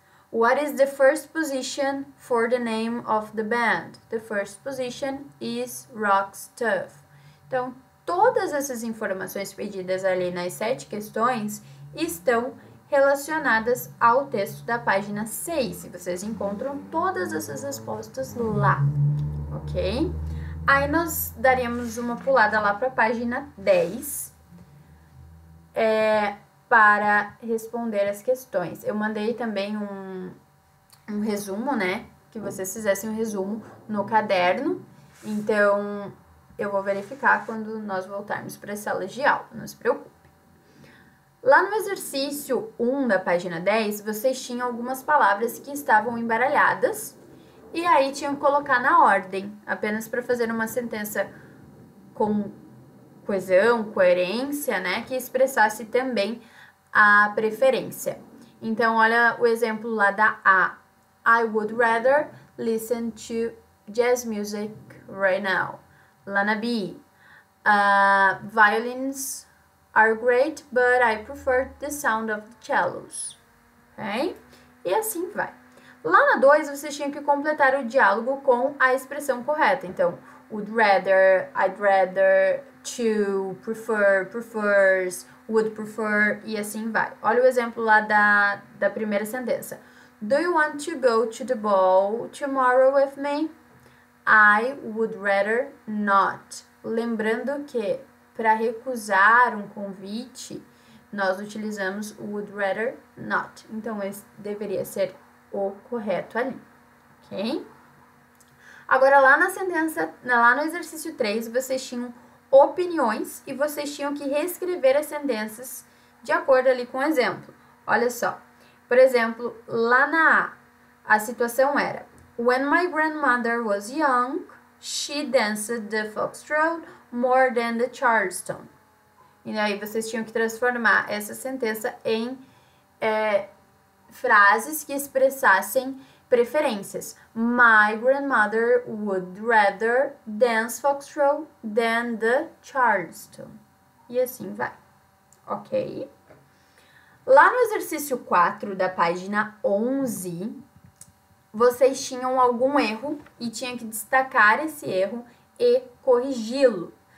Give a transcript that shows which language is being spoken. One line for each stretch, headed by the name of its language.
English: What is the first position for the name of the band? The first position is Rock Stuff.
Portuguese: Então, todas essas informações pedidas ali nas 7 questões estão relacionadas ao texto da página 6. E vocês encontram todas essas respostas lá, ok? Aí nós daríamos uma pulada lá para a página 10, para responder as questões. Eu mandei também um resumo, né? Que vocês fizessem um resumo no caderno. Então, eu vou verificar quando nós voltarmos para as salas de aula, não se preocupe. Lá no exercício 1 da página 10, vocês tinham algumas palavras que estavam embaralhadas e aí tinham que colocar na ordem, apenas para fazer uma sentença com coesão, coerência, né, que expressasse também a preferência. Então, olha o exemplo lá da A.
English: I would rather listen to jazz music right now.
Portuguese: Lá na B.
English: Violins are great, but I prefer the sound of the cellos.
Portuguese: Okay? E assim vai. Lá na 2, vocês tinham que completar o diálogo com a expressão correta. Então, would rather, I'd rather, to, prefer, prefers, would prefer, e assim vai. Olha o exemplo lá da primeira sentença.
English: Do you want to go to the ball tomorrow with me? I would rather not.
Portuguese: Lembrando que para recusar um convite, nós utilizamos would rather not. Então, esse deveria ser o correto ali, ok? Agora, lá na sentença, lá no exercício 3, vocês tinham opiniões e vocês tinham que reescrever as sentenças de acordo ali com o exemplo. Olha só. Por exemplo, lá na A, a situação era:
English: When my grandmother was young, she danced the foxtrot more than the Charleston.
Portuguese: E aí vocês tinham que transformar essa sentença em frases que expressassem preferências.
English: My grandmother would rather dance foxtrot than the Charleston.
Portuguese: E assim vai. Ok? Lá no exercício 4 da página 11, vocês tinham algum erro e tinham que destacar esse erro e corrigi-lo.